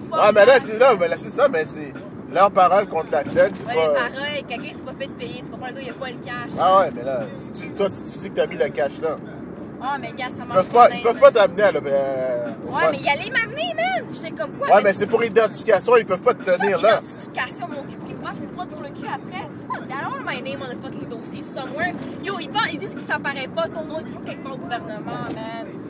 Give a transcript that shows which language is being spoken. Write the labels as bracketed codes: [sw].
[fr] ah, mais là, c'est là, mais là, c'est ça, mais c'est leur parole contre la tienne, c'est pas... Ouais, pareil, quelqu'un s'est pas fait payer, tu comprends, le gars, il y a pas le cash. Ah ouais, mais là, si tu, toi, si tu dis que t'as mis le cash, là... Ah, oh, mais gars, ça marche peuvent pas, ils peuvent pas t'amener, là, mais... Ouais, mais il allait m'amener, man! J'étais comme quoi? Ouais, mais c'est pour identification, ils peuvent pas te tenir, là. Identification, mon cul. Moi, c'est froid sur le cul après. [en] Fuck, I don't want my name on the fucking dossier somewhere. [fr] Yo, ils disent que ça paraît pas, ton nom est toujours quelque part au gouvernement, man.